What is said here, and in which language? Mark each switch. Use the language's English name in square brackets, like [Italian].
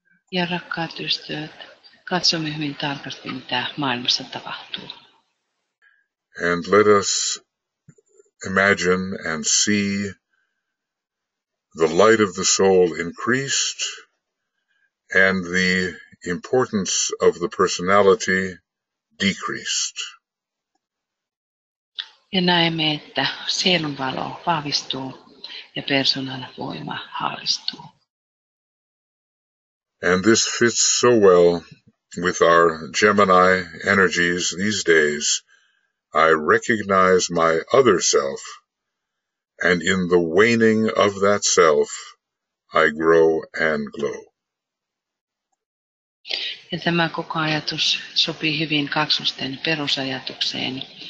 [Finnish] Ja rakkaat ystävät, katsomme hyvin tarkasti, mitä maailmassa tapahtuu. [English] And let us imagine and see the light of the soul increased and the importance of the personality decreased. [Finnish] Ja näemme, että sielun valo vahvistuu ja persoonallinen voima haalistuu. [English] And this fits so well with our Gemini energies these days. I recognize my other self, and in the waning of that self, I grow and glow. [Finnish] Ja tämä koko ajatus sopii hyvin kaksosten perusajatukseen.